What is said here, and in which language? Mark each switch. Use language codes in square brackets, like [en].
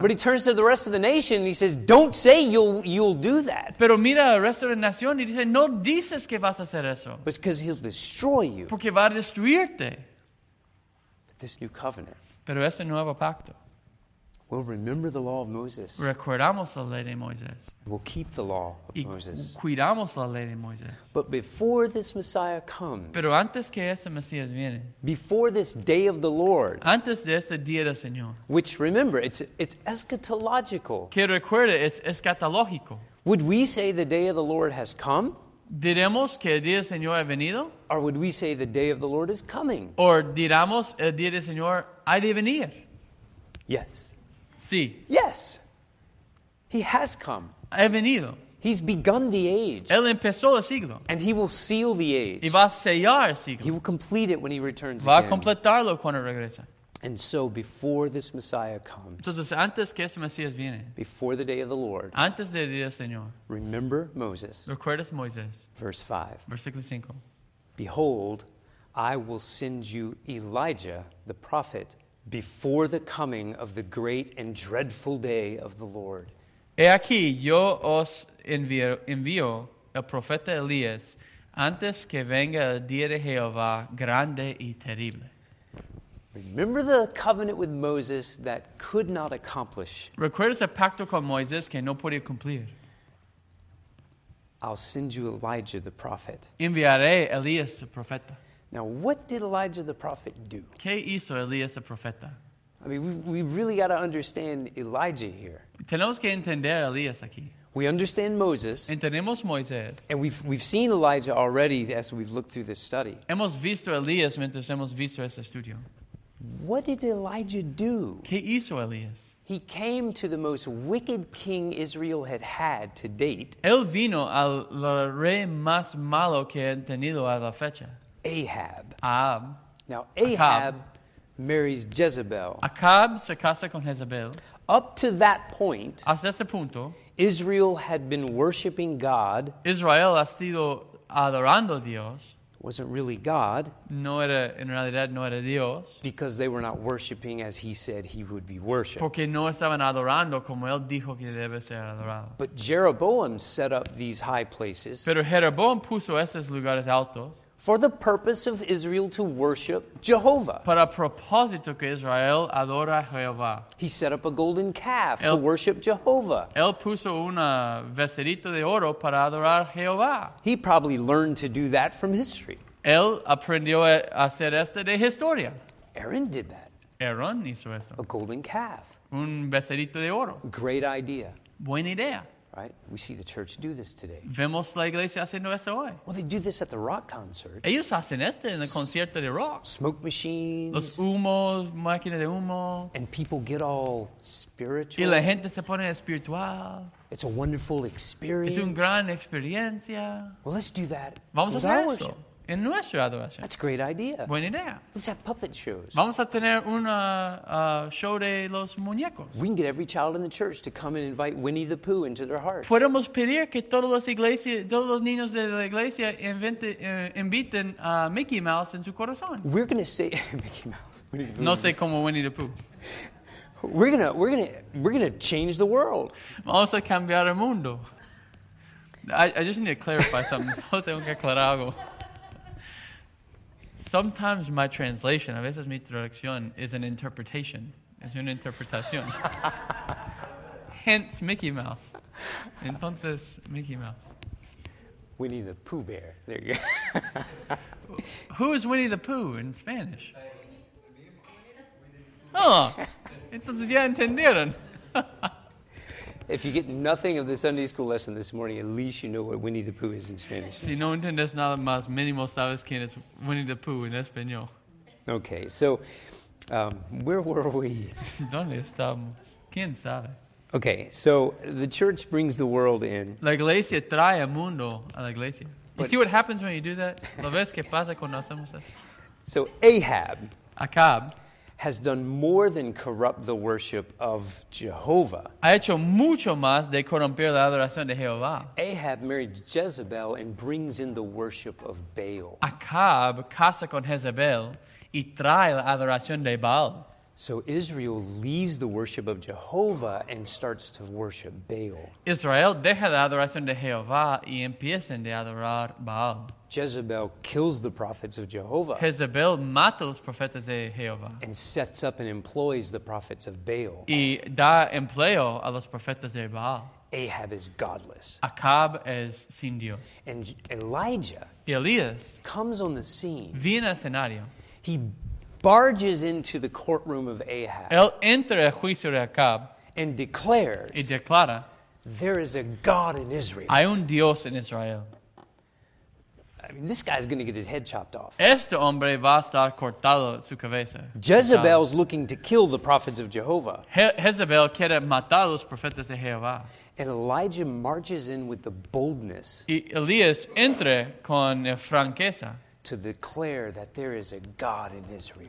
[en] But he turns to the rest of the nation and he says, don't say you'll do that. [es] Pero mira al resto de la nación y dice, no dices que vas a hacer eso. [en] But it's because he'll destroy you. [es] Porque va a destruirte. [en] But this new covenant. [es] Pero este nuevo pacto. [en] We'll remember the law of Moses. [es] Recordamos la ley de Moisés. [en] We'll keep the law of [es] y [en] Moses. [es] Cuidamos la ley de Moisés. [en] But before this Messiah comes. [es] Pero antes que ese Mesías viene. [en] Before this day of the Lord. [es] Antes de ese día del Señor. [en] Which remember, it's eschatological. [es] Que recuerde, es escatológico. [en] Would we say the day of the Lord has come? [es] Diremos que el día del Señor ha venido. [en] Or would we say the day of the Lord is coming? Or [es] diramos el día del Señor ha de venir. [en] Yes. [es] Sí. [en] Yes. He has come. [es] Ha venido. [en] He's begun the age. [es] Él empezó el siglo. [en] And he will seal the age. [es] Y va a sellar el siglo. [en] He will complete it when he returns [es] va [en] again. [es] Va a completarlo cuando regresa. [en] And so before this Messiah comes. [es] Entonces antes que ese Mesías viene. [en] Before the day of the Lord. [es] Antes del día del Señor. [en] Remember Moses. [es] Recuerdas Moisés. [en] Verse 5. [es] Versículo 5. [en] Behold, I will send you Elijah, the prophet, before the coming of the great and dreadful day of the Lord. [es] He aquí, yo os envío el profeta Elías antes que venga el día de Jehová grande y terrible. [en] Remember the covenant with Moses that could not accomplish. [es] ¿Recuerdas el pacto con Moisés que no podía cumplir? [en] I'll send you Elijah the prophet. [es] Enviaré Elías el profeta. [en] Now, what did Elijah the prophet do? [es] ¿Qué hizo Elías el profeta? [en] I mean, we really got to understand Elijah here. [es] Tenemos que entender a Elías aquí. [en] We understand Moses. [es] Entendemos Moisés. [en] And we've seen Elijah already as we've looked through this study. [es] Hemos visto a Elías mientras hemos visto este estudio. [en] What did Elijah do? [es] ¿Qué hizo Elías? [en] He came to the most wicked king Israel had had to date. [es] Él vino al rey más malo que han tenido a la fecha. [en] Ahab. Now, [es] Ahab [en] marries Jezebel. [es] Ahab se casa con Jezebel. [en] Up to that point, [es] hasta ese punto, [en] Israel had been worshiping God. [es] Israel ha sido adorando a Dios. [en] Wasn't really God. [es] No era, en realidad, no era Dios. [en] Because they were not worshiping as he said he would be worshipped. [es] Porque no estaban adorando como él dijo que debe ser adorado. [en] But Jeroboam set up these high places. [es] Pero Jeroboam puso esos lugares altos. [en] for the purpose of Israel to worship Jehovah. [es] Para propósito que Israel adora Jehová. [en] He set up a golden calf to worship Jehovah. [es] Él puso una becerita de oro para adorar Jehová. [en] He probably learned to do that from history. [es] Él aprendió a hacer esto de historia. [en] Aaron did that. [es] Aaron hizo eso. [en] A golden calf. [es] Un becerito de oro. [en] Great idea. [es] Buena idea. [en] Right? We see the church do this today. [es] Vemos la iglesia haciendo esto hoy. [en] Well, they do this at the rock concert. [es] Ellos hacen esto en el concierto de rock. [en] Smoke machines. [es] Los humos, máquinas de humo. [en] And people get all spiritual. [es] Y la gente se pone espiritual. [en] It's a wonderful experience. [es] Es una gran experiencia. [en] Well, let's do that. [es] Vamos a hacer esto. En nuestra adoración. [en] That's a great idea. [es] Buena idea. [en] Let's have puppet shows. [es] Vamos a tener un show de los muñecos. [en] We can get every child in the church to come and invite Winnie the Pooh into their hearts. [es] Podemos pedir que todos los niños de la iglesia inviten Mickey Mouse en su corazón. [en] We're going to say Mickey Mouse. Winnie the Pooh. [es] No sé cómo Winnie the Pooh. [en] we're gonna change the world. [es] Vamos a cambiar el mundo. [en] I just need to clarify something. [es] Solo tengo que aclarar algo. [en] Sometimes my translation, [es] a veces mi traducción, [en] is an interpretation. [es] Es una interpretación. [en] Hence, [es] Mickey Mouse. Entonces, Mickey Mouse. [en] Winnie the Pooh Bear. There you go. Who is Winnie the Pooh in Spanish? [es] Oh, entonces ya entendieron. [en] If you get nothing of the Sunday school lesson this morning, at least you know what Winnie the Pooh is in Spanish. [es] Si no entiendes nada más, mínimo sabes quién es Winnie the Pooh en español. [en] Okay, so where were we? [es] ¿Dónde estamos? ¿Quién sabe? [en] Okay, so the church brings the world in. [es] La iglesia trae el mundo a la iglesia. [en] You see what happens when you do that? [es] ¿Lo ves qué pasa cuando hacemos eso? [en] So Acab. Has done more than corrupt the worship of Jehovah. [es] Ha hecho mucho más de corromper la adoración de Jehová. [en] Ahab married Jezebel and brings in the worship of Baal. [es] Acab casa con Jezebel y trae la adoración de Baal. [en] So Israel leaves the worship of Jehovah and starts to worship Baal. [es] Israel deja la adoración de Jehová y empiezan de adorar Baal. [en] Jezebel kills the prophets of Jehovah. [es] Jezebel mata los profetas de Jehová. [en] And sets up and employs the prophets of Baal. [es] Y da empleo a los profetas de Baal. [en] Ahab is godless. [es] Acab es sin Dios. [en] And Elijah. [es] Y Elías. [en] Comes on the scene. [es] Viene al escenario. [en] He barges into the courtroom of Ahab. [es] Él entra al juicio de Acab. [en] And declares. [es] Y declara. [en] There is a God in Israel. [es] Hay un Dios en Israel. [en] I mean, this guy's going to get his head chopped off. [es] Este hombre va a estar cortado su cabeza. [en] Jezebel's looking to kill the prophets of Jehovah. [es] Jezebel quiere matar los profetas de Jehová. [en] And Elijah marches in with the boldness. [es] Y Elías entra con franqueza. [en] To declare that there is a God in Israel.